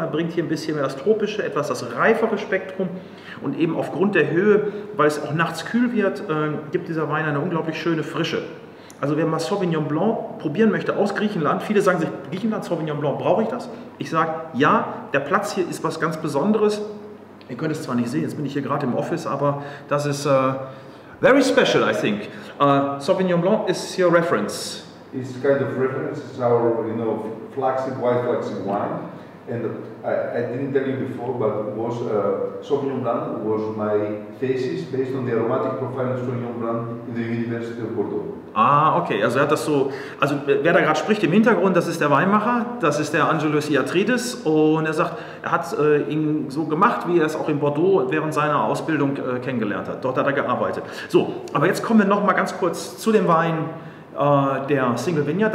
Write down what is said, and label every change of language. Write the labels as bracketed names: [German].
[German] Er bringt hier ein bisschen mehr das Tropische, etwas das reifere Spektrum. Und eben aufgrund der Höhe, weil es auch nachts kühl wird, gibt dieser Wein eine unglaublich schöne Frische. Also wer mal Sauvignon Blanc probieren möchte aus Griechenland, viele sagen sich, Griechenland, Sauvignon Blanc, brauche ich das? Ich sage, ja, der Platz hier ist was ganz Besonderes. Ihr könnt es zwar nicht sehen, jetzt bin ich hier gerade im Office, aber das ist [English] very special, I think. Sauvignon Blanc is your reference. It's kind of reference. It's our, you know, flagship wine. And I didn't tell you before, but was Sauvignon Blanc was my thesis based on the aromatic profile of Sauvignon Blanc in the University of Bordeaux. [German] Ah, okay. Also er hat das so. Also wer da gerade spricht im Hintergrund, das ist der Weinmacher, das ist der Angelos Iatrides, und er sagt, er hat ihn so gemacht, wie er es auch in Bordeaux während seiner Ausbildung kennengelernt hat. Dort hat er gearbeitet. So, aber jetzt kommen wir noch mal ganz kurz zu dem Wein der Single Vineyard.